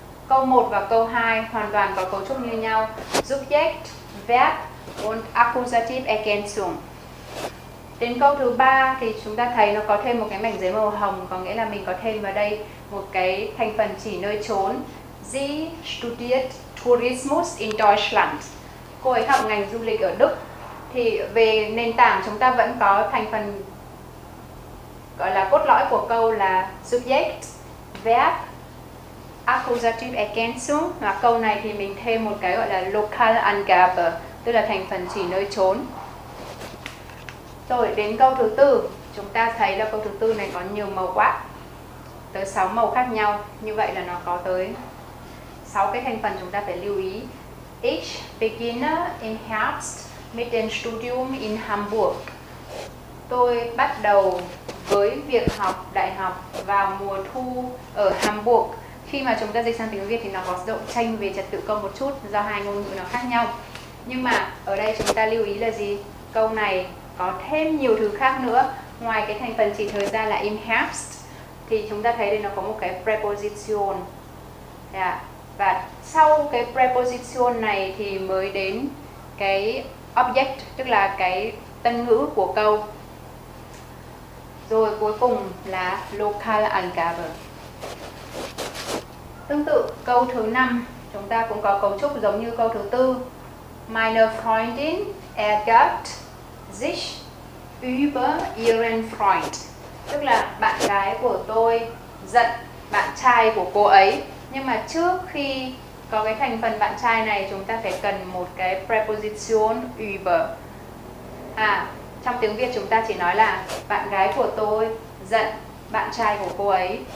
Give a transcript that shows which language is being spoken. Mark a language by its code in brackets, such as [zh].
[vi] Câu 1 và câu 2 hoàn toàn có cấu trúc như nhau. [de] Subject, verb und accusative ergänzung. [vi] Đến câu thứ 3 thì chúng ta thấy nó có thêm một cái mảnh giấy màu hồng, có nghĩa là mình có thêm vào đây một cái thành phần chỉ nơi chốn. [de] Sie studiert Tourismus in Deutschland. [vi] Cô ấy học ngành du lịch ở Đức. Thì về nền tảng chúng ta vẫn có thành phần gọi là cốt lõi của câu là subject, verb, accusative ergänzung, và câu này thì mình thêm một cái gọi là local Angabe, tức là thành phần chỉ nơi chốn. Rồi đến câu thứ tư, chúng ta thấy là câu thứ tư này có nhiều màu quá, tới 6 màu khác nhau, như vậy là nó có tới 6 cái thành phần chúng ta phải lưu ý. [de] Ich beginne im Herbst mit dem Studium in Hamburg. [vi] Tôi bắt đầu với việc học đại học vào mùa thu ở Hamburg. Khi mà chúng ta dịch sang tiếng Việt thì nó có độ chênh về trật tự câu một chút do hai ngôn ngữ nó khác nhau. Nhưng mà ở đây chúng ta lưu ý là gì? Câu này có thêm nhiều thứ khác nữa. Ngoài cái thành phần chỉ thời gian là im Herbst thì chúng ta thấy đây nó có một cái preposition. Và sau cái preposition này thì mới đến cái object, tức là cái tân ngữ của câu. Rồi cuối cùng là local Angabe. Tương tự câu thứ 5 chúng ta cũng có cấu trúc giống như câu thứ 4. [de] Meine Freundin ärgert sich über ihren Freund. [vi] Tức là bạn gái của tôi giận bạn trai của cô ấy. Nhưng mà trước khi có cái thành phần bạn trai này chúng ta phải cần một cái preposition über. Trong tiếng Việt chúng ta chỉ nói là bạn gái của tôi giận bạn trai của cô ấy.